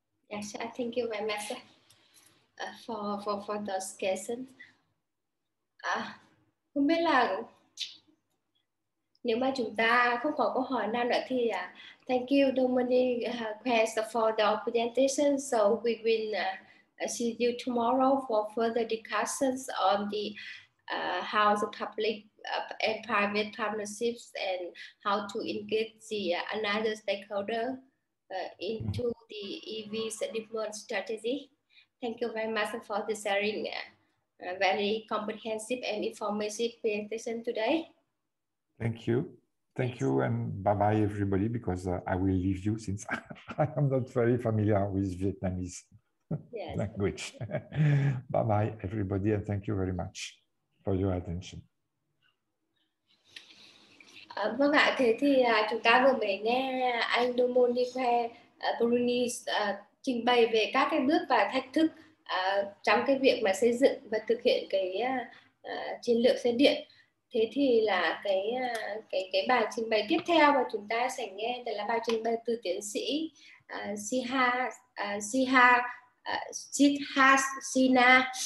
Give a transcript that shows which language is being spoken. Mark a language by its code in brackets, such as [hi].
[en] Yes, I thank you very much for those questions. [vi] Không biết là nếu mà chúng ta không có câu hỏi nào nữa thì [en] thank you Dominique for the presentation. So we will see you tomorrow for further discussions on the how the public and private partnerships and how to engage the another stakeholder into the EV development strategy. Thank you very much for the sharing. Very comprehensive and informative presentation today. Thank you, and bye bye everybody. Because I will leave you since I am not very familiar with Vietnamese language. Bye bye everybody, and thank you very much for your attention. [vi] Vâng ạ, thế thì chúng ta vừa mới nghe anh Dominique Bruni trình bày về các cái bước và thách thức trong cái việc mà xây dựng và thực hiện cái chiến lược xe điện. Thế thì là cái bài trình bày tiếp theo mà chúng ta sẽ nghe đây là bài trình bày từ tiến sĩ Sihasina.